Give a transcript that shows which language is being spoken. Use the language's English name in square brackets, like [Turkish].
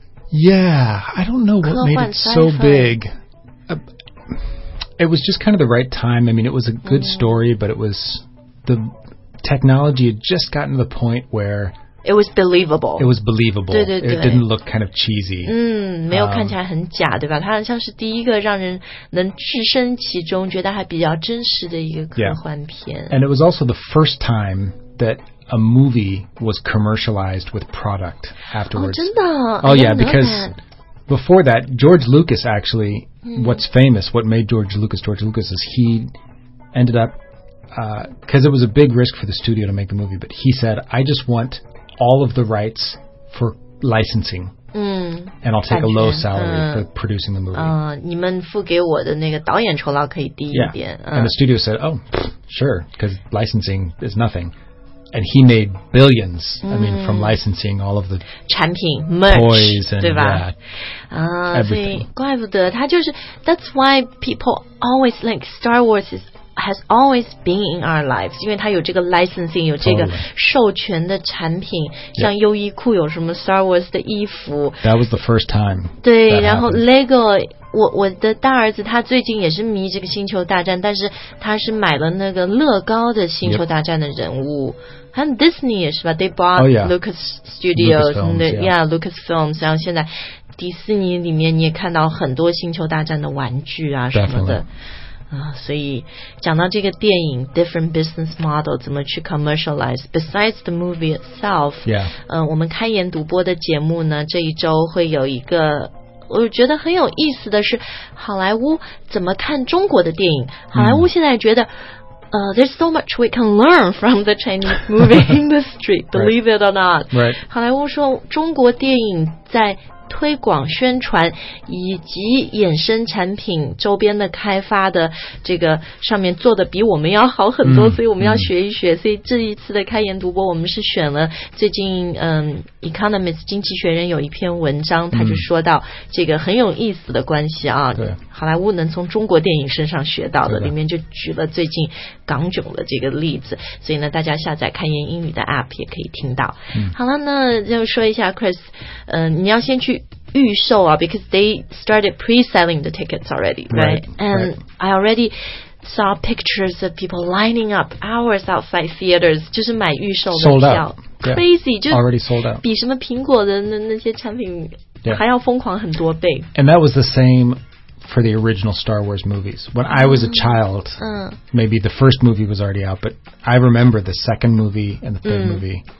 [English] Yeah, I don't know what made it so big. It was just kind of the right time. I mean, it was a good、story, but it was the technology had just gotten to the point where it was believable. It was believable. [Chinese] 对对对 [English] it didn't look kind of cheesy. [Chinese] 没有看起来很假，对吧？它好像是第一个让人能置身其中，觉得还比较真实的一个科幻片。 [English] Yeah. And it was also the first time that a movie was commercialized with product afterwards. [Chinese] Oh, 真的 [English] Oh, yeah, because before that, George Lucas actually. What's famous, what made George Lucas is he ended up, because it was a big risk for the studio to make the movie, but he said, I just want all of the rights for licensing,、and I'll take a low salary、for producing the movie. [Chinese] 你们付给我的那个导演酬劳可以低一点。 [English] Yeah. And the studio said, oh, sure, because licensing is nothing. And he made billions,、I mean, from licensing all of the [Chinese] 产品 merch, [English] toys and [Chinese] 对吧 [English] that. Everything. [Chinese] 怪不得他就是 [English] That's why people always like Star Wars is has always been in our lives, [Chinese] 因为它有这个 licensing, 有这个授权的产品、 [English] totally. [Chinese] 像优衣库有什么 Star Wars 的衣服。 [English] That was the first time. [Chinese] 对，然后 Lego, 我的大儿子他最近也是迷这个星球大战，但是他是买了那个乐高的星球大战的人物。 [English] Yep. And Disney [Chinese] 也是吧 [English] ？They bought、 oh, yeah. Lucas Studios, Lucasfilms. [Chinese] 然后现在迪士尼里面你也看到很多《星球大战》的玩具啊什么的、 [English] Definitely. [Chinese] 啊。所以讲到这个电影 ， [English] different business model [Chinese] 怎么去 [English] commercialize besides the movie itself？ Yeah. [Chinese] 我们开言独播的节目呢，这一周会有一个。我觉得很有意思的是，好莱坞怎么看中国的电影？好莱坞现在觉得。 [English] There's so much we can learn from the Chinese movie industry, believe right. it or not. Right. [Chinese] 好莱坞说中国电影在推广宣传以及衍生产品周边的开发的这个上面做的比我们要好很多、嗯、所以我们要学一学、嗯、所以这一次的开言独播我们是选了最近Economist 经济学人有一篇文章他就说到这个很有意思的关系啊对好莱坞能从中国电影身上学到的里面就举了最近港囧的这个例子所以呢大家下载开言英语的 APP 也可以听到、嗯、好了那就说一下 Chris 你要先去预售啊 [English] because they started pre-selling the tickets already right? I already saw pictures of people lining up hours outside theaters [Chinese] 就是买预售的票 [English] sold out crazy、 yeah. [Chinese] 就 [English] already sold out [Chinese] 比什么苹果的 那些产品还要疯狂很多倍、 [English] yeah. and that was the sameFor the original Star Wars movies. When I was a child,、maybe the first movie was already out, but I remember the second movie and the third、movie.